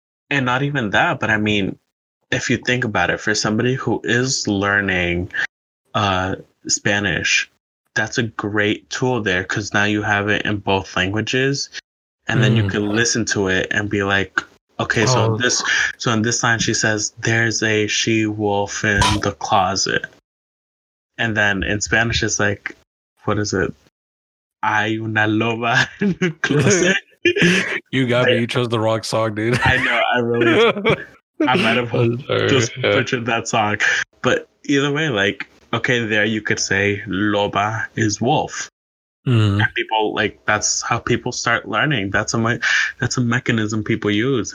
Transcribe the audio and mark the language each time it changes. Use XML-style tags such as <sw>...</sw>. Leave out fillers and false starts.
<en>And not even that, but I mean, if you think about it, for somebody who is learning Spanish, that's a great tool there, because now you have it in both languages, and then you can listen to it and be like, okay, so in this line she says, there's a she-wolf in the closet. And then in Spanish it's like, what is it?</en> <es>Hay una loba en el closet.</es> <en>You got me. You chose the wrong song, dude. I know. I really. I might have just butchered that song. But either way, like, okay, there you could say loba is wolf. And people, like, that's how people start learning. That's a mechanism people use.</en>